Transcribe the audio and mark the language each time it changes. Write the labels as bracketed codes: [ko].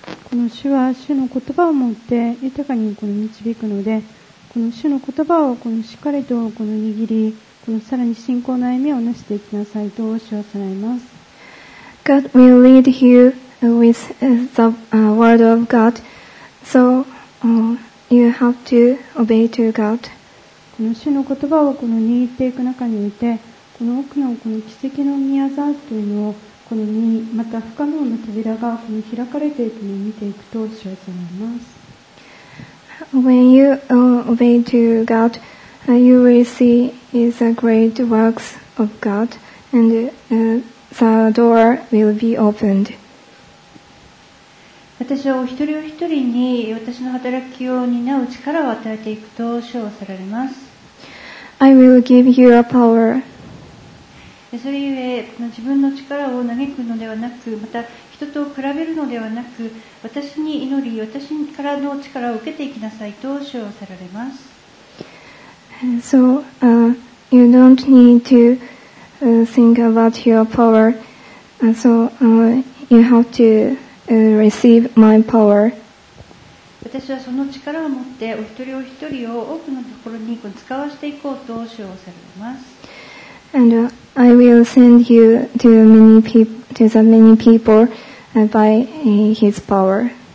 [ja] この主は主の言葉を持って豊かにこの導くので、この主の言葉をこのしっかりとこの握り、このさらに信仰の歩みを成していきなさいと主はされます。 [en] God will lead you with the word of God, so you have to obey to God. [ja] この主の言葉をこの握っていく中において、この奥のこの奇跡の御業というのを。このにまた不可能の扉がこの開かれていくのを見ていくと主は言います。 [en] When you obey to God, you will see is a great works of God, and the door will be opened. [ja] 私はお一人お一人に私の働きを担う力を与えていくと主はおっしゃられます。 [en] I will give you a power. [ja] それゆえ、この自分の力を嘆くのではなく、また人と比べるのではなく、私に祈り、私からの力を受けていきなさいと主はおっしゃられます。 [en] So, you don't need to think about your power. So, you have to receive my power. [ja] 私はその力を持ってお一人お一人を多くのところに使わせていこうと主はおっしゃられます。 [en] And, I will send you to many people, to the many people, by his power.